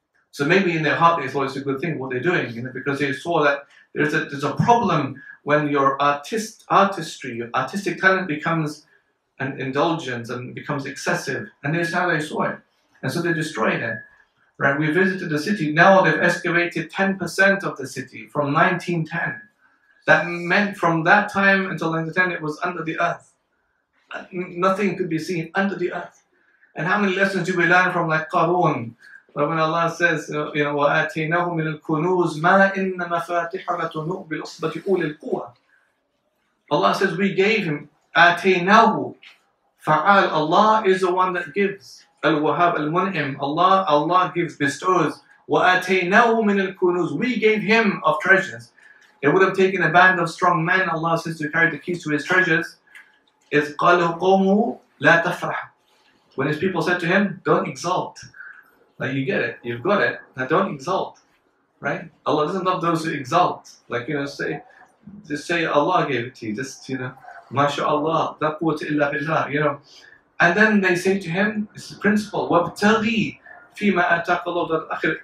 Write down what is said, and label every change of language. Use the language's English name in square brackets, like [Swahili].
[English] So maybe in their heart they thought it's a good thing what they're doing, you know, because they saw that there's a problem when your artistry, your artistic talent becomes an indulgence and becomes excessive. And this is how they saw it. And so they destroyed it. Right? We visited the city. Now they've excavated 10% of the city from 1910. That meant from that time until 1910, it was under the earth. Nothing could be seen under the earth. And how many lessons do we learn from like Qarun? When Allah says, you know, [Arabic] وَآتَيْنَهُ مِنَ الْكُنُوزِ مَا إِنَّ مَفَاتِحَ لَتُنُوءُ بِالْعُصْبَةِ أُولِي الْقُوَّةِ. [English] Allah says, we gave him. [Arabic] آتَيْنَهُ. فَعَال. [English] Allah is the one that gives. Al-Wahhab al-Mun'im. Allah gives, bestows. [Arabic] وَآتَيْنَهُ مِنَ الْكُنُوزِ. [English] We gave him of treasures. It would have taken a band of strong men, Allah says, to carry the keys to his treasures. [Arabic] Is قَالُ قَوْمُ لَا تَفْرَحَ. [English] When his people said to him, don't exalt. Like, you get it, you've got it, now don't exalt, right? Allah doesn't love those who exalt. Like, you know, say, just say Allah gave it to you, just, you know, MashaAllah, [Arabic] la quwwata illa billah, [English] you know. And then they say to him, this is the principle, [Arabic] وَابْتَغِي فِي مَا أَتَاكَ اللَّهُ دَارَ الْآخِرَةِ.